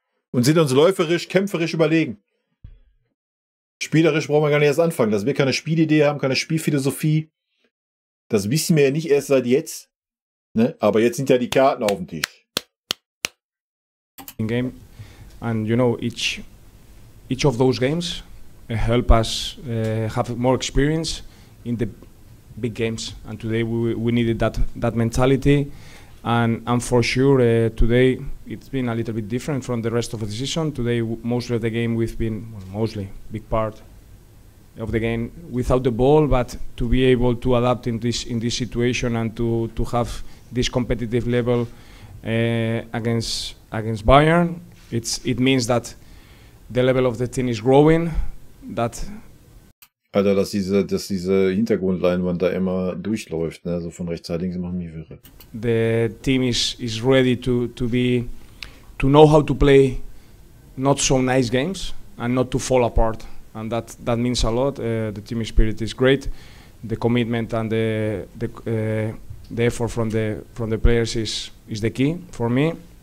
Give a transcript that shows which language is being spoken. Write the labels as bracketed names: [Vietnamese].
[German] Und sind uns läuferisch, kämpferisch überlegen. Spielerisch brauchen wir gar nicht erst anfangen. Dass wir keine Spielidee haben, keine Spielphilosophie, das wissen wir ja nicht erst seit jetzt. Ne? Aber jetzt sind ja die Karten auf dem Tisch. In Game. [English] And you know each of those games help us have more experience in the big games. And today we needed that mentality. And for sure today it's been a little bit different from the rest of the season. Today mostly of the game we've been mostly big part of the game without the ball. But to be able to adapt in this situation and to have this competitive level against Bayern. It means that the level of the team is growing, that... [German] Alter, dass diese Hintergrundleinwand da immer durchläuft, ne? So von rechts nach links machen mich wirre. [English] The team is ready to know how to play not so nice games and not to fall apart. And that means a lot. The team spirit is great. The commitment and the effort from the players is the key for me.